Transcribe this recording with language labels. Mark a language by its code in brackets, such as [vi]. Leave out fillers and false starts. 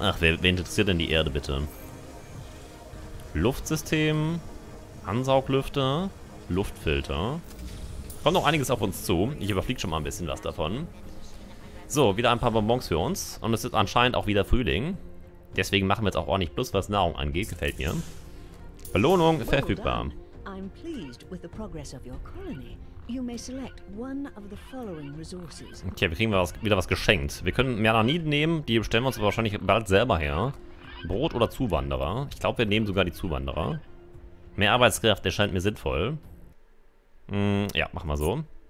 [de] Ach, wer interessiert denn die Erde bitte? Luftsystem. Ansauglüfter. Luftfilter. Kommt noch einiges auf uns zu. Ich überfliege schon mal ein bisschen was davon. So, wieder ein paar Bonbons für uns. Und es ist anscheinend auch wieder Frühling. Deswegen machen wir jetzt auch ordentlich plus, was Nahrung angeht. Gefällt mir. Belohnung verfügbar. [en] I'm pleased with the progress of your colony. You may select one of the following resources. [de] Okay, wir kriegen wieder was geschenkt. Wir können mehr Naniden nehmen. Die stellen wir uns aber wahrscheinlich bald selber her. Brot oder Zuwanderer. Ich glaube, wir nehmen sogar die Zuwanderer. Mehr Arbeitskraft erscheint mir sinnvoll. Ja, machen wir so.